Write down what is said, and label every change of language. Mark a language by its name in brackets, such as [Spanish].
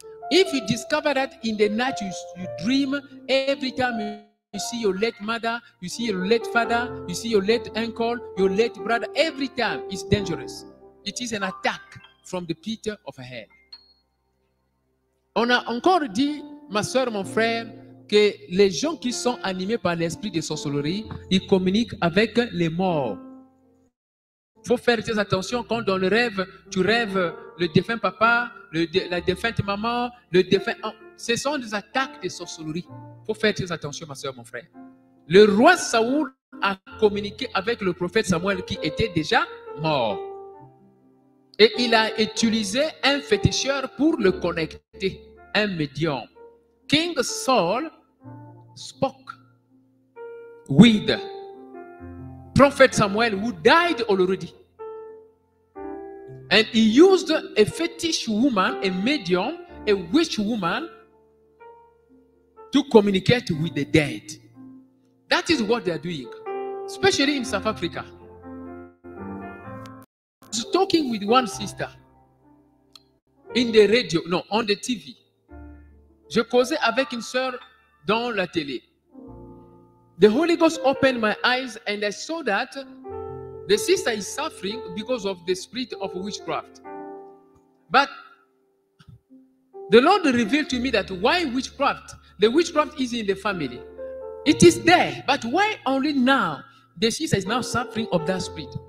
[English] If you discover that in the night you dream every time you see your late mother, you see your late father, you see your late uncle, your late brother, every time, it's dangerous. It is an attack from the pit of hell. [French] On a encore dit, ma soeur, mon frère, que les gens qui sont animés par l'esprit de sorcellerie, ils communiquent avec les morts. Il faut faire très attention quand dans le rêve, tu rêves le défunt papa, la défunte maman, le défunt... Ce sont des attaques de sorcellerie. Il faut faire très attention, ma soeur, mon frère. Le roi Saul a communiqué avec le prophète Samuel qui était déjà mort. Et il a utilisé un féticheur pour le connecter, un médium. [English] King Saul spoke with Prophet Samuel, who died already. And he used a fetish woman, a medium, a witch woman, to communicate with the dead. That is what they are doing, especially in South Africa. I was talking with one sister in the radio, no, on the TV. [French] Je causais avec une sœur dans la télé. [English] The Holy Ghost opened my eyes and I saw that the sister is suffering because of the spirit of witchcraft. But the Lord revealed to me that why witchcraft? The witchcraft is in the family. It is there. But why only now the sister is now suffering of that spirit?